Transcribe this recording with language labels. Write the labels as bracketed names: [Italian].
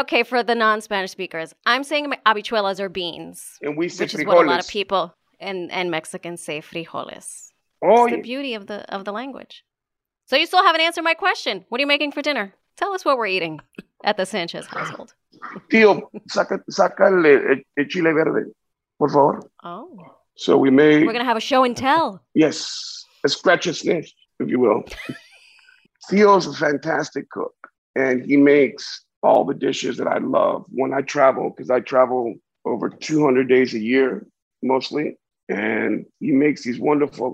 [English] Okay, for the non-Spanish speakers, I'm saying habichuelas are beans. And we say which [Spanish] frijoles. [English] Is what a lot of people and Mexicans say, frijoles. Oh, it's the beauty of the language. So you still haven't answered my question. What are you making for dinner? Tell us what we're eating at the Sanchez household. [Spanish] Tío, saca el chile verde, por favor. [English] Oh. So we may... We're going to have a show and tell. Yes. A scratch and sniff, if you will. Tío's a fantastic cook, and he makes all the dishes that I love when I travel, because I travel over 200 days a year, mostly, and he makes these wonderful...